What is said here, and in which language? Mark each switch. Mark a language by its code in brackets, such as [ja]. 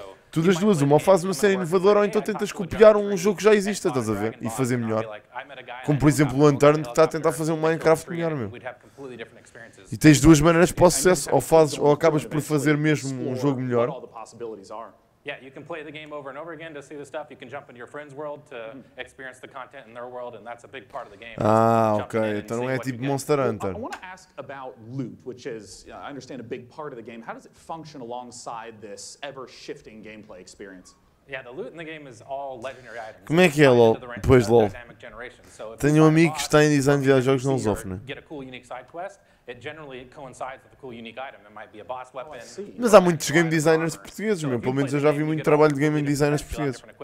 [pt] Tu das duas, uma ou faz uma série inovadora ou então tentas copiar um jogo que já existe, estás a ver? E fazer melhor. Como por exemplo o Lantern, que está a tentar fazer um Minecraft melhor, meu. E tens duas maneiras para o sucesso, ou acabas por fazer mesmo um jogo melhor. [en] Yeah, you can play the game over and over again to see the stuff. You can jump into your friend's world to experience the content in their world, and that's a big part of the game. [pt] Então não é tipo Monster Hunter. [en] I want to ask about loot, which is, I understand, a big part of the game. How does it function alongside this ever-shifting gameplay experience? Yeah, the loot in the game is all legendary items. [pt] Como é que é, LOL? Depois, LOL. Tenho um amigo que está em design de videojogos, não os ofne, né? [en] Get a cool, unique side quest. It generally coincides with a cool unique item. It might be a boss weapon. [pt] Mas há muitos game designers portugueses, meu. Pelo menos eu já vi muito trabalho de game designers portugueses.